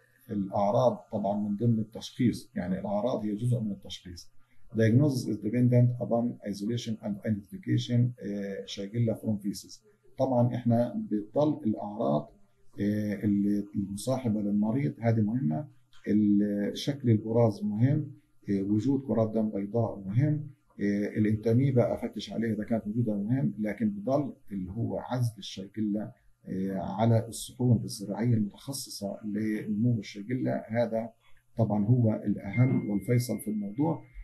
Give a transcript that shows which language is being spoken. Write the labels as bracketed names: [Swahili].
[Arabic] الأعراض طبعا من ضمن التشخيص، يعني الأعراض هي جزء من التشخيص. [English] Diagnosis is dependent upon isolation and identification shigella from feces. [Arabic] طبعا احنا بتضل الأعراض المصاحبة للمريض هذه مهمة، شكل البراز مهم، وجود كرات دم بيضاء مهم، الانتاميبا افتش عليها اذا كانت موجوده مهم، لكن بضل اللي هو عزل الشيجيلا على الصحون الزراعيه المتخصصه لنمو الشيجيلا، هذا طبعا هو الاهم والفيصل في الموضوع.